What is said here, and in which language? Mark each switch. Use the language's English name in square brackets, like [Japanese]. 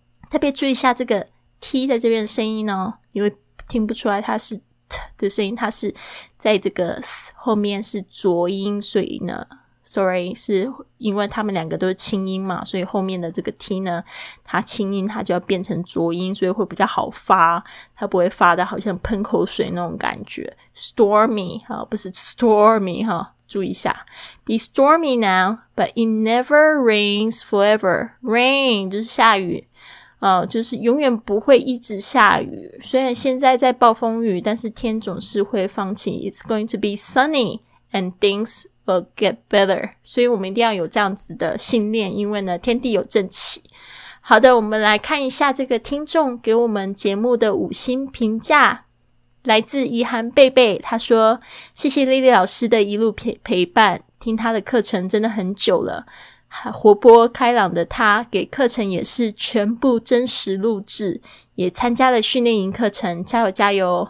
[Chinese] 特别注意一下这个 t 在这边的声音哦，你会听不出来它是 t 的声音，它是在这个 s 后面是浊音，所以呢 sorry 是因为它们两个都是轻音嘛，所以后面的这个 t 呢它轻音它就要变成浊音，所以会比较好发，它不会发的好像喷口水那种感觉。 Stormy、哦、不是 stormy、哦、注意一下。 [English] Be stormy now, but it never rains forever. [Chinese] Rain 就是下雨、就是永远不会一直下雨，虽然现在在暴风雨，但是天总是会放晴。 [English] It's going to be sunny and things will get better. [Chinese] 所以我们一定要有这样子的信念，因为呢天地有正气。好的，我们来看一下这个听众给我们节目的五星评价。来自怡涵贝贝，他说谢谢莉莉老师的一路 陪伴，听他的课程真的很久了，活泼开朗的他给课程也是全部真实录制，也参加了训练营课程，加油加油。